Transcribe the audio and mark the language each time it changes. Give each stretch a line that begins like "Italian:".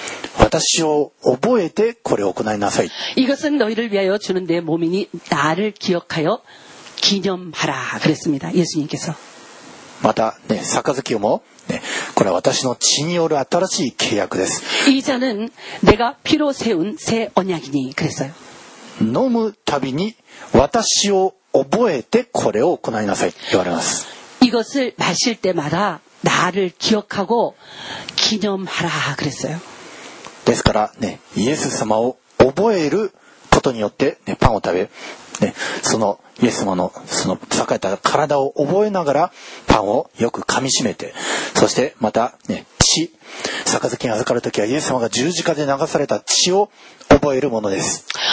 Japanese: その時にどうなるかって言ったらね、主と私の力が一体化されて、そしてね、大いなるね、ことができるようになるんですよ。先ほど、生産式の中において、生産式の制定の言葉、これはあなた方のための私の体です。私を覚えてこれを行いなさい。
Korean: 이것은 너희를 위하여 주는 내 몸이니 나를 기억하여 기념하라 그랬습니다. 예수님께서.
Japanese: またね、杯をも、ね、これは私の血による新しい契約です。
Korean: 이자는내가피로세운새언약이니그랬어요。
Japanese: 飲むたびに私を覚えてこれを行いなさいと言われます。
Korean: 이것을마실때마다나를기억하고기념하라그랬어요。
Japanese: ですからね、イエス様を覚えることによって、ね、パンを食べ、ね、そのイエス様のその栄えた体を覚えながらパンをよく噛みしめて、そしてまたね、血、杯に預かるときはイエス様が十字架で流された血を覚えるものです。